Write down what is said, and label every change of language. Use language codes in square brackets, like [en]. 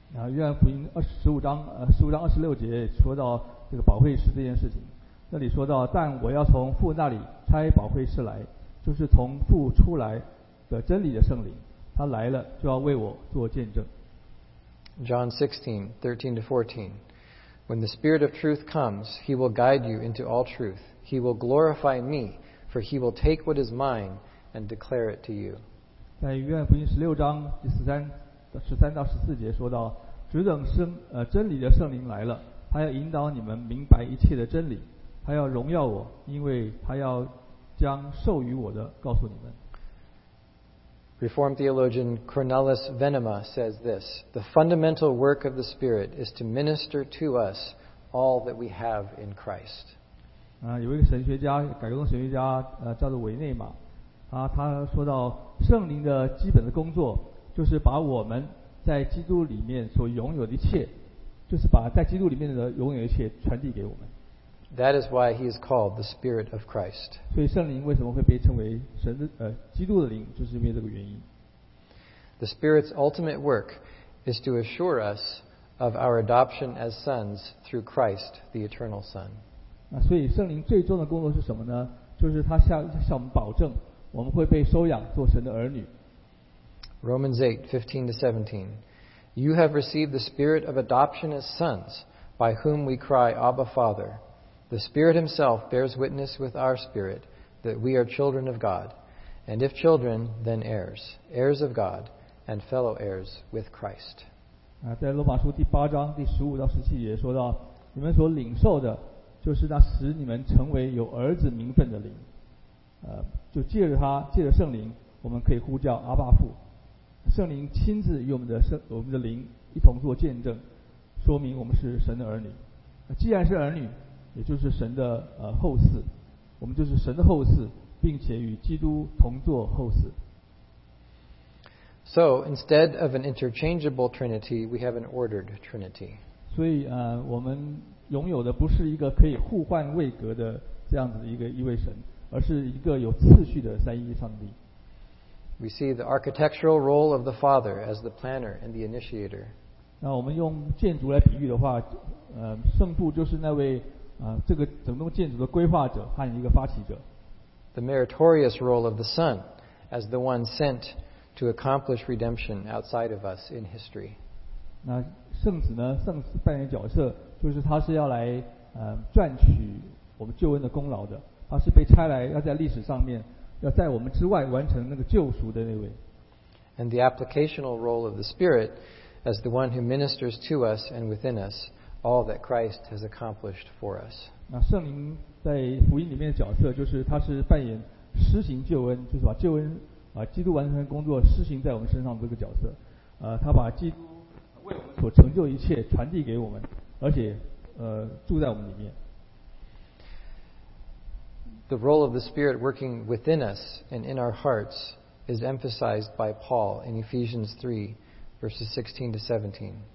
[zh] 约翰福音十五章二十六节说到这个保惠师这件事情。那里说到，但我要从父那里差保惠师来，就是从父出来的真理的圣灵，他来了就要为我做见证。 [en] John 16:13-14, when the Spirit of Truth comes, he will guide you into all truth. He will glorify me. For he will take what is mine and declare it to you. [zh] 在约翰福音十六章第13-14节说到，只等真理的圣灵来了，他要引导你们明白一切的真理，他要荣耀我，因为他要将授予我的告诉你们。 [en] Reformed theologian Cornelis Venema says this: The fundamental work of the Spirit is to minister to us all that we have in Christ. [zh] 有一个神学家，改革宗神学家，叫做维内玛，他说到，圣灵的基本的工作就是把我们在基督里面所拥有的一切，就是把在基督里面的拥有的一切传递给我们。 [en] That is why he is called the Spirit of Christ. [zh] 所以圣灵为什么会被称为神的基督的灵，就是因为这个原因。 [en] The Spirit's ultimate work is to assure us of our adoption as sons through Christ, the eternal Son. [zh] 所以圣灵最终的工作是什么呢？就是他向我们保证，我们会被收养做神的儿女。 [en] Romans 8:15-17, you have received the Spirit of adoption as sons, by whom we cry, Abba, Father. The Spirit Himself bears witness with our spirit that we are children of God, and if children, then heirs, heirs of God, and fellow heirs with Christ. [zh] 在罗马书第八章第十五到十七节说到，你们所领受的。就是那使你们成为有儿子名分的灵，就借着他，借着圣灵，我们可以呼叫阿爸父。圣灵亲自与我们的灵一同做见证，说明我们是神的儿女。既然是儿女，也就是神的后嗣，我们就是神的后嗣，并且与基督同作后嗣。 [en] So instead of an interchangeable Trinity, we have an ordered Trinity. [zh] 所以我们。拥有的不是一个可以互换位格的这样子的一位神，而是一个有次序的三一上帝。 [en] We see the architectural role of the Father as the planner and the initiator. [zh] 那我们用建筑来比喻的话，圣父就是那位这个整栋建筑的规划者和一个发起者。 [en] the meritorious role of the Son as the one sent to accomplish redemption outside of us in history. [zh] 那圣子呢？圣子扮演的角色就是他是要来赚取我们救恩的功劳的。他是被差来要在历史上面要在我们之外完成那个救赎的那位。 [en] And the applicational role of the Spirit as the one who ministers to us and within us all that Christ has accomplished for us. [zh] 那圣灵在福音里面的角色就是他是扮演施行救恩，就是把救恩基督完成的工作施行在我们身上的这个角色。他把基督所成就一切传递给我们，而且住在我们里面。 [en] The role of the Spirit working within us and in our hearts is emphasized by Paul in Ephesians 3, verses 16-17.